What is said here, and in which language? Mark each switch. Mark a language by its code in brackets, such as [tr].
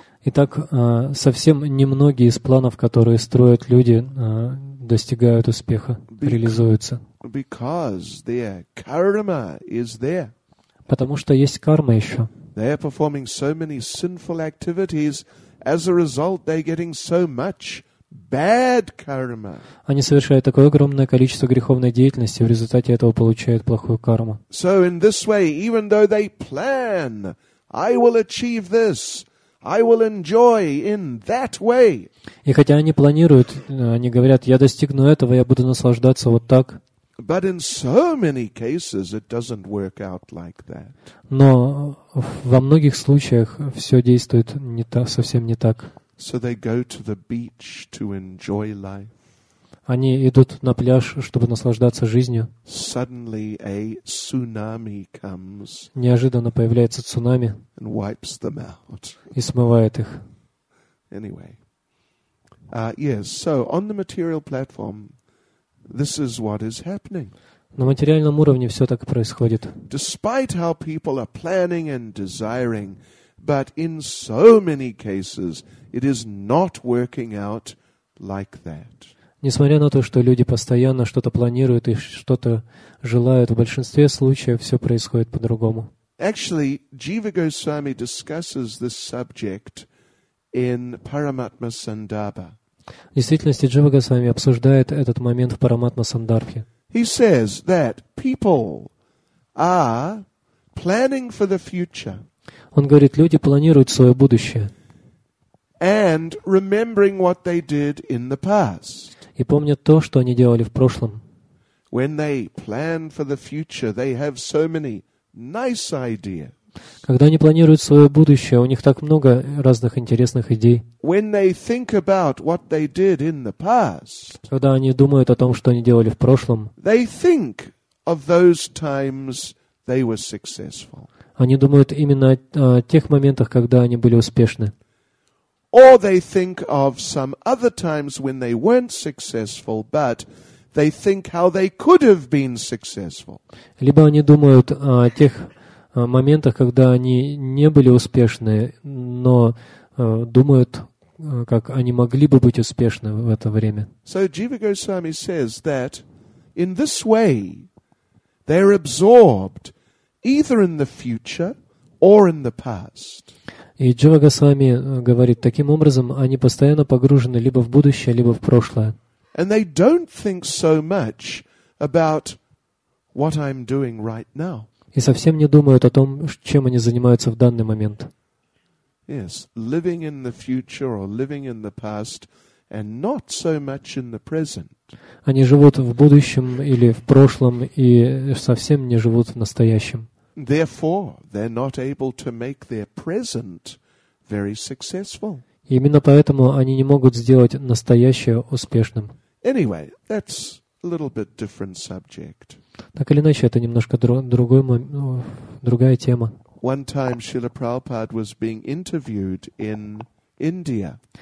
[ru] Итак, совсем немногие из планов, которые строят люди, достигают успеха, реализуются. [en] Because their karma is there. [ru] Потому что есть карма еще. [en] They are performing so many sinful activities, as a result, they are getting so much bad karma. [ru] Они совершают такое огромное количество греховной деятельности, в результате этого получают плохую карму. [en] So in this way, even though they plan, I will achieve this, I will enjoy in that way. [ru] И хотя они планируют, они говорят, я достигну этого, я буду наслаждаться вот так. [en] But in so many cases it doesn't work out like that. [ru] Но во многих случаях все действует не так, совсем не так. [en] So they go to the beach to enjoy life. [ru] Они идут на пляж, чтобы наслаждаться жизнью. [en] Suddenly a tsunami comes. [ru] Неожиданно появляется цунами. [en] And wipes them out. [ru] И смывает их. [en] Anyway. Yes, so on the material platform this is what is happening. [ru] На материальном уровне все так и происходит. [en] Despite how people are planning and desiring, but in so many cases it is not working out like that. [ru] Несмотря на то, что люди постоянно что-то планируют и что-то желают, в большинстве случаев все происходит по-другому. [en] Actually, Jiva Goswami discusses this subject in Paramatma Sandarbha. [ru] В действительности, Джива Госвами обсуждает этот момент в Параматма Сандарбхе. [en] He says that people are planning for the future. [ru] Он говорит, люди планируют свое будущее. [en] and remembering what they did in the past. [ru] И помнят то, что они делали в прошлом. [en] When they plan for the future, they have so many nice ideas. [ru] Когда они планируют свое будущее, у них так много разных интересных идей. [en] When they think about what they did in the past, [ru] когда они думают о том, что они делали в прошлом, [en] they think of those times they were successful. [ru] Они думают именно о тех моментах, когда они были успешны. [en] Or they think of some other times when they weren't successful, but they think how they could have been successful. [ru] Либо они думают о тех моментах, когда они не были успешны, но думают, как они могли бы быть успешны в это время. [en] So Jiva Goswami says that in this way they're absorbed either in the future or in the past. [ru] И Джива Госвами говорит, таким образом они постоянно погружены либо в будущее, либо в прошлое. [en] And they don't think so much about what I'm doing right now. [ru] И совсем не думают о том, чем они занимаются в данный момент. [en] Yes, living in the future or living in the past and not so much in the present. [ru] Они живут в будущем или в прошлом и совсем не живут в настоящем. [en] Therefore, they're not able to make their present very successful. [ru] Именно поэтому они не могут сделать настоящее успешным. [en] Anyway, that's a little bit different subject. [ru] Так или иначе, это немножко другая тема. [en] One time Srila Prabhupada was being interviewed in India.